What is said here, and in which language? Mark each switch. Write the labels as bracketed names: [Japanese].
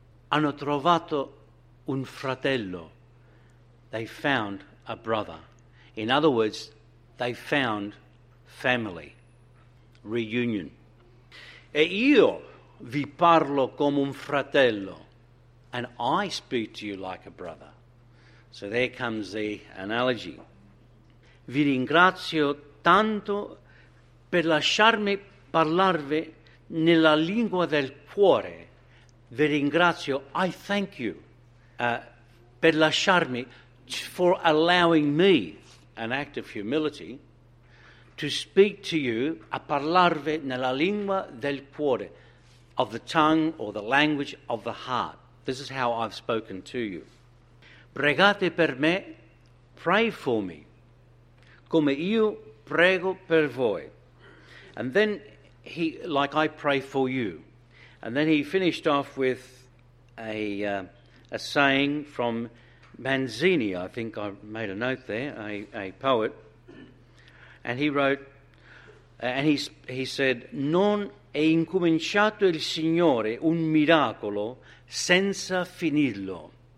[Italian] Hanno trovato un fratello. [English] They found a brother. In other words, they found family, reunion. [Italian] E io vi parlo come un fratello, [English] and I speak to you like a brother. So there comes the analogy. [Italian] Vi ringrazio tanto per lasciarmi parlarvi nella lingua del cuore. Vi ringrazio, [English] I thank you, [Italian] per lasciarmi, [English] for allowing me, an act of humility, to speak to you, [Italian] a parlarvi nella lingua del cuore, [English] of the tongue or the language of the heart. This is how I've spoken to you. [Italian] Pregate per me, [English] pray for me, [Italian] come io prego per voi. [English] And then he, like I pray for you. And then he finished off with a saying from Manzini, I think I made a note there, a poet. And he wrote, and he said, [Italian] non è incominciato il Signore un miracolo senza finirlo.